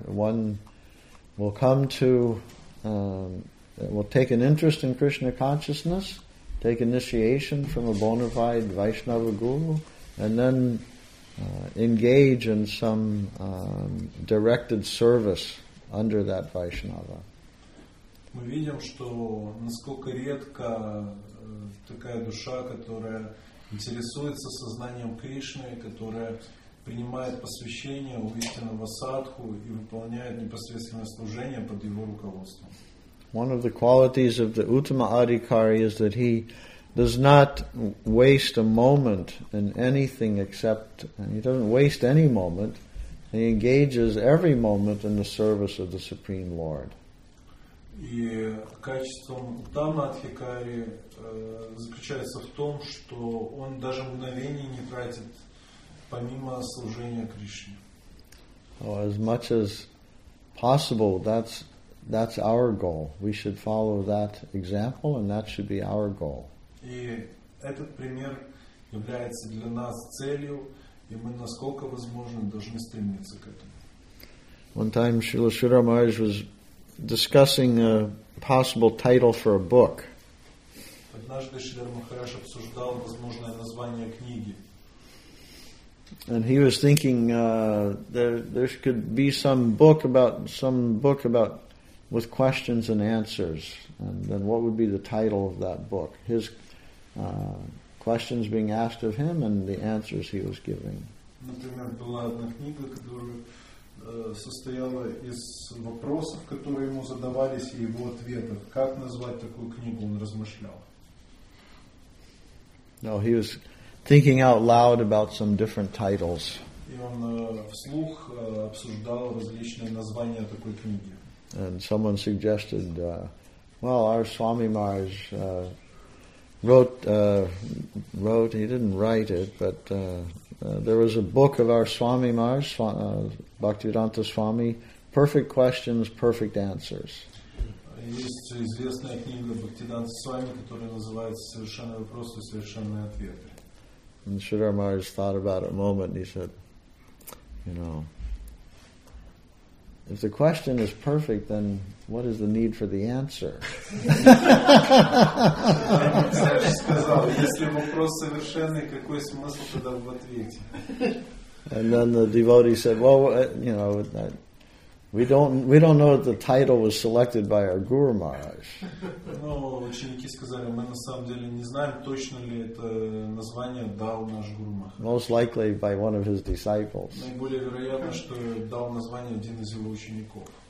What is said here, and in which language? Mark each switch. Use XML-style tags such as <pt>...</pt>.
<en>One will come to, will take an interest in Krishna consciousness, take initiation from a bona fide Vaishnava guru, and then engage in some directed service under that Vaishnava.</en> <ru>Мы видим, что насколько редко такая душа, которая интересуется сознанием Кришны, которая принимает посвящение у истинного садху и выполняет непосредственное служение под его руководством.</ru> <en>One of the qualities of the Uttama Adhikari is that he does not waste a moment in anything except, and he doesn't waste any moment, he engages every moment in the service of the Supreme Lord.</en> <ru>И качеством Уттама Адхикари заключается в том, что он даже мгновений не тратит помимо служения Кришне.</ru> <en>Oh, as much as possible, that's our goal. We should follow that example, and that should be our goal.</en> <ru>И этот пример является для нас целью, и мы насколько возможно должны стремиться к этому.</ru> <en>One time Srila Sridhara Maharaj was discussing a possible title for a book.</en> <ru>Однажды Шридхар Махарадж обсуждал возможное название книги.</ru> <en>And he was thinking there could be some book about with questions and answers, and then what would be the title of that book? His questions being asked of him and the answers he was giving.</en> <ru>Например, была одна книга, которая состояла из вопросов, которые ему задавались, и его ответов. Как назвать такую книгу, он размышлял.</ru> <en>No, he was thinking out loud about some different titles.</en> <ru>И он вслух обсуждал различные названия такой книги.</ru> <en>And someone suggested, well, our Swami Maharaj wrote, he didn't write it, but there was a book of our Swami Maharaj, Bhaktivedanta Swami, Perfect Questions, Perfect Answers.</en> <ru>Есть известная книга Бхактиданта Свами, которая называется «Совершенные вопросы, совершенные ответы».</ru> <en>And Sridhara Maharaj thought about it a moment, and he said, you know, if the question is perfect, then what is the need for the answer? And then the devotee said, well, you know, We don't know that the title was selected by our Guru Maharaj.</en> <ru>Но ученики сказали, мы на самом деле не знаем, точно ли это название дал наш Гуру Махарадж.</ru> <en>Most likely by one of his disciples.</en> <ru>Наиболее вероятно, что дал название один из его учеников.</ru>